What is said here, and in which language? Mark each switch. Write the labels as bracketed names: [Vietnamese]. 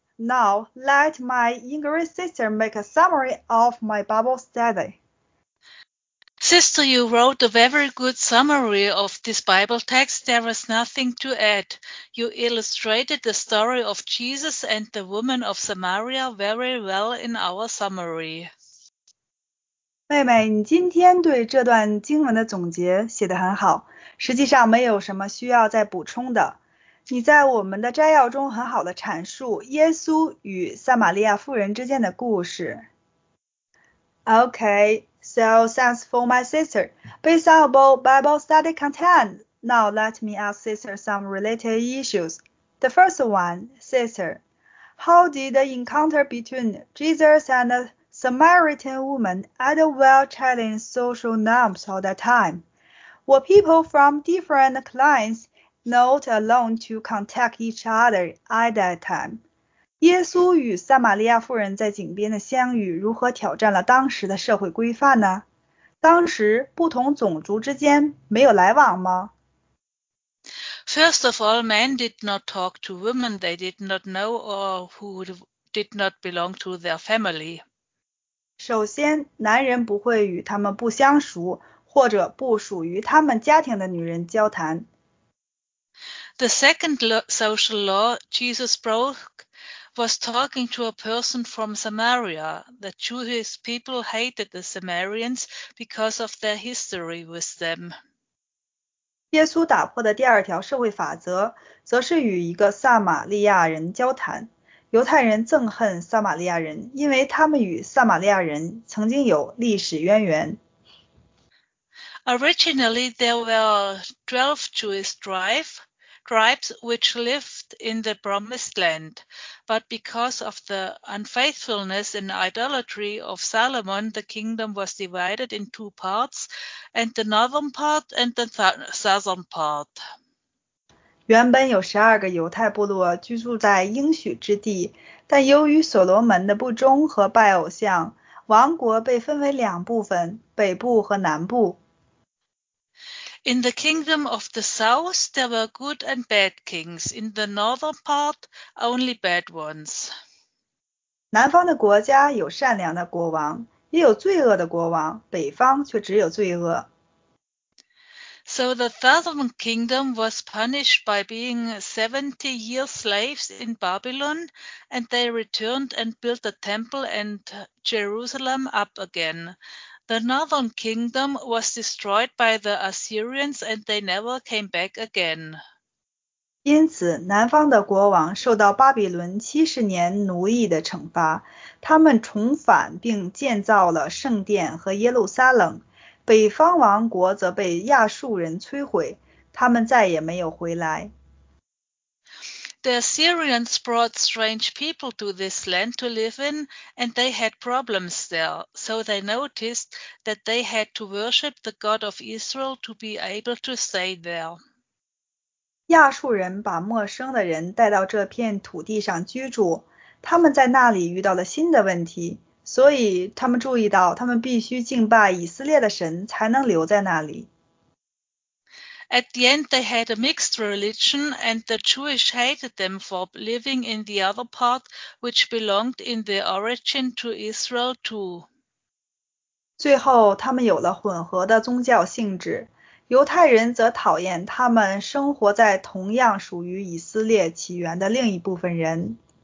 [English] Now let my English sister make a summary of my Bible study." Sister, you wrote a very good summary of this Bible text. There is nothing to add. You illustrated the story of Jesus and the woman of Samaria very well in our summary. [Chinese] 妹妹，你今天对这段经文的总结写得很好，实际上没有什么需要再补充的。你在我们的摘要中很好的阐述耶稣与撒玛利亚妇人之间的故事。 [English] Okay, so thanks for my sister. Based on our Bible study content, now let me ask sister some related issues. The first one, sister, how did the encounter between Jesus and the Samaritan woman add a well challenged social norms of that time? Were people from different clans not alone to contact each other at that time? [Chinese] 耶稣与撒玛利亚妇人在井边的相遇如何挑战了当时的社会规范呢？当时不同种族之间没有来往吗？ [English] First of all, men did not talk to women they did not know or who did not belong to their family. [Chinese] 首先，男人不会与他们不相熟或者不属于他们家庭的女人交谈。 [English] The second social law Jesus broke was talking to a person from Samaria. The Jewish people hated the Samaritans because of their history with them. [Chinese] 耶稣打破的第二条社会法则则是与一个撒玛利亚人交谈。犹太人憎恨撒玛利亚人，因为他们与撒玛利亚人曾经有历史渊源。 [English] Originally, there were 12 Jewish tribes which lived in the promised land, but because of the unfaithfulness and idolatry of Solomon, the kingdom was divided in two parts, and the northern part and the southern part. [Chinese] 原本有十二个犹太部落居住在应许之地，但由于所罗门的不忠和拜偶像，王国被分为两部分，北部和南部。 [English] In the kingdom of the south, there were good and bad kings. In the northern part, only bad ones. [Chinese] 南方的国家有善良的国王，也有罪恶的国王，北方却只有罪恶。 [English] So the southern kingdom was punished by being 70 years slaves in Babylon, and they returned and built the temple and Jerusalem up again. The northern kingdom was destroyed by the Assyrians and they never came back again. [Chinese] 因此，南方的国王受到巴比伦70年奴役的惩罚，他们重返并建造了圣殿和耶路撒冷，北方王国则被亚述人摧毁，他们再也没有回来。 [English] The Assyrians brought strange people to this land to live in, and they had problems there. So they noticed that they had to worship the God of Israel to be able to stay there. [Chinese] 亚述人把陌生的人带到这片土地上居住，他们在那里遇到了新的问题，所以他们注意到他们必须敬拜以色列的神才能留在那里。 [English] At the end, they had a mixed religion, and the Jewish hated them for living in the other part, which belonged in the origin to Israel too. [Chinese] 最后，他们有了混合的宗教性质，犹太人则讨厌他们生活在同样属于以色列起源的另一部分人。